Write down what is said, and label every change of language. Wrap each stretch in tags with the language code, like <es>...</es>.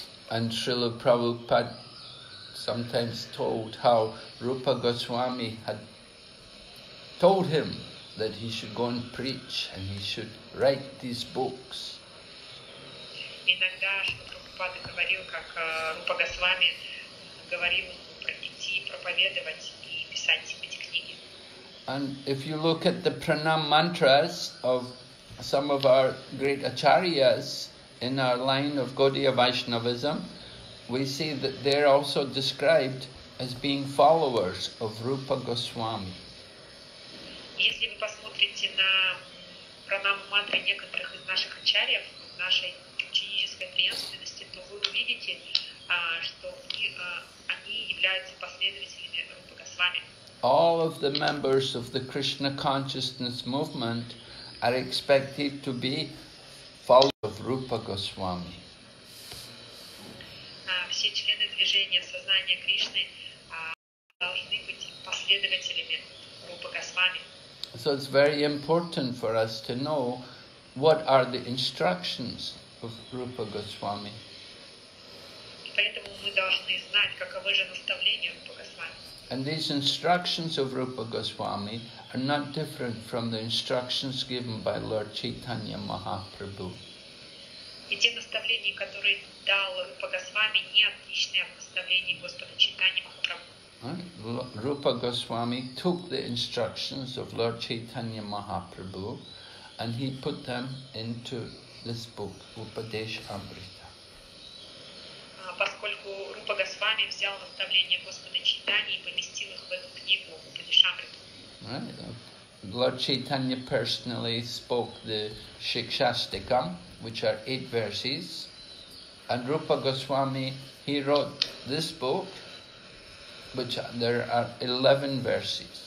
<en>And Srila Prabhupada sometimes told how Rupa Goswami had told him that he should go and preach and he should write these books.</en> <ru>Иногда Шрила Прабхупада говорил, как Рупа Госвами говорил ему про идти проповедовать и писать эти книги.</ru> <en>And if you look at the pranam mantras of some of our great acharyas in our line of Gaudiya Vaishnavism, we see that they're also described as being followers of Rupa Goswami.</en> <ru>Если вы посмотрите на пранам мантры некоторых из наших ачарьев, нашей ученической преемственности, то вы увидите, что они являются последователями Рупа Госвами.</ru> <en>All of the members of the Krishna consciousness movement are expected to be followers of Rupa Goswami.</en> <ru>Все члены движения сознания Кришны должны быть последователями Рупа Госвами.</ru> <en>So it's very important for us to know what are the instructions of Rupa Goswami.</en> <ru>Поэтому мы должны знать, каковы же наставления Рупа Госвами.</ru> <en>And these instructions of Rupa Goswami are not different from the instructions given by Lord Chaitanya Mahaprabhu.</en> <ru>И те наставления, которые дал Рупа Госвами, не отличные от наставлений Господа Чайтаньи Махапрабху.</ru> <en>Рупа Госвами took the instructions of Lord Chaitanya Mahaprabhu and he put them into this book, Upadesha Amrita.</en> <ru>Поскольку Рупа Госвами взял наставления Господа Чайтаньи и поместил их в эту книгу, Упадеша Амрита.</ru> <en>Right. Lord Chaitanya personally spoke the Shikshastikam, which are 8 verses, and Rupa Goswami, he wrote this book, which there are 11 verses.</en>